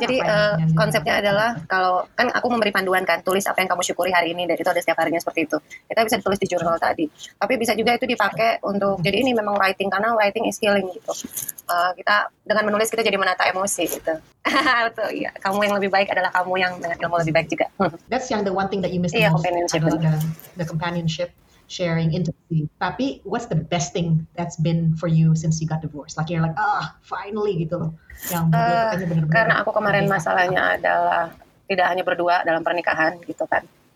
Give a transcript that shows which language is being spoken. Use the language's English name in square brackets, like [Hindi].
[Indonesian] Jadi konsepnya adalah kalau kan aku memberi panduan kan, tulis apa yang kamu syukuri hari ini, dan itu ada setiap harinya seperti itu. Kita bisa ditulis di jurnal tadi. Tapi bisa juga itu dipakai untuk jadi ini memang writing, karena [English] writing is healing [Indonesian] gitu. Kita dengan menulis kita jadi menata emosi gitu. Itu iya, kamu yang lebih baik adalah kamu yang dengan ilmu lebih baik juga. [English] That's yang the one thing that you miss the most. Companionship. The companionship, sharing, intimacy. Tapi what's the best thing that's been for you since you got divorced? Like you're like finally [Indonesian] gitu loh. Karena aku kemarin masalahnya adalah tidak hanya berdua dalam pernikahan gitu kan.